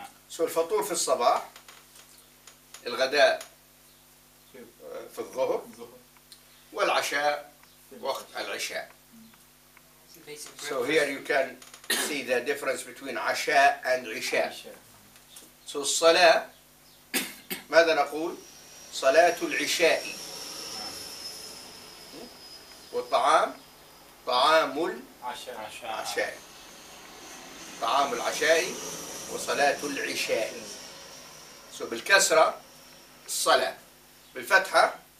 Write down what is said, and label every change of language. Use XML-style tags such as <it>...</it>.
<ar>سو الفطور في الصباح, الغداء في الظهر, والعشاء وقت العشاء.</ar> <en>So here you can see the difference between عشاء and عشاء. So</en> <ar>الصلاة, ماذا نقول؟ صلاة العشاء. والطعام, طعام العشاء. طعام العشاء وصلاة العشاء. سو بالكسرة الصلاة, بالفتحة</ar>